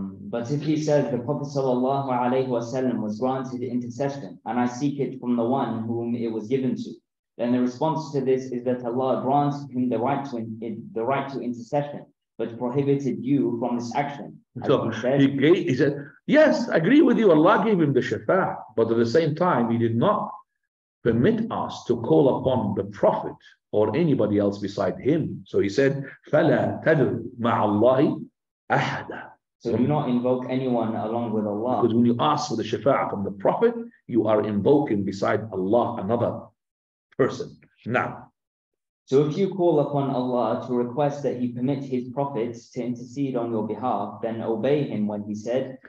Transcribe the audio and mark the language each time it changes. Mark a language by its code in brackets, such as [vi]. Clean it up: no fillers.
[en] But if he says the Prophet sallallahu alayhi wa sallam was granted intercession and I seek it from the one whom it was given to, then the response to this is that Allah grants him the right to intercession, but prohibited you from this action. So he said, yes, I agree with you. Allah gave him the shafa'ah, but at the same time, he did not permit us to call upon the Prophet or anybody else beside him. So he said, [ar] فَلَا تَدْرُ مَعَ اللَّهِ أَحَدًا. [en] So do not invoke anyone along with Allah. Because when you ask for the shafa'ah from the Prophet, you are invoking beside Allah another person. Now. So if you call upon Allah to request that he permit his prophets to intercede on your behalf, then obey him when he said,